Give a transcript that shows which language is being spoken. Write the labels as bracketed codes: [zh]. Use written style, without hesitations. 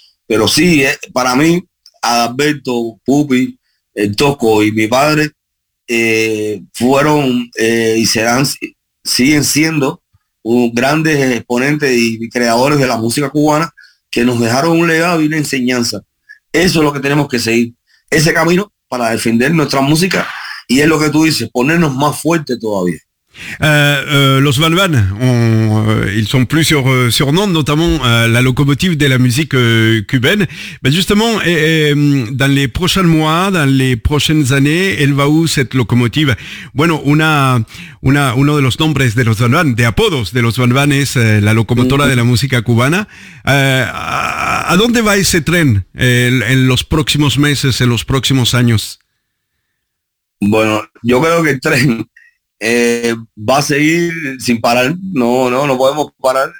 [es] Pero sí, para mí, Alberto, Pupi, El Toco y mi padre fueron y serán, siguen siendo grandes exponentes y creadores de la música cubana, que nos dejaron un legado y una enseñanza. Eso es lo que tenemos que seguir, ese camino para defender nuestra música, y es lo que tú dices, ponernos más fuerte todavía. [fr] Los Van, ils sont plus surnoms, notamment la locomotive de la musique cubaine. Ben justement, dans les prochains mois, dans les prochaines années, elle va où cette locomotive? [es] Bueno, uno de los nombres de los Van Van, de apodos de los Van Van, es la locomotora de la música cubana. ¿A dónde va ese tren en los próximos meses, en los próximos años? Bueno, yo creo que el tren va a seguir sin parar, no podemos parar.